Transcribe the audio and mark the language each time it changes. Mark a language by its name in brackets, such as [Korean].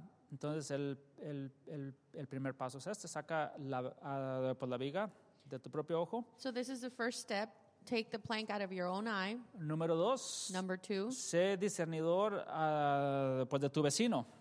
[Spanish] Entonces el primer paso es este, saca por la viga de tu propio ojo. [English] So this is the first step, take the plank out of your own eye. [Spanish] Número dos. [English] Number two. [Spanish] Sé discernidor pues de tu vecino.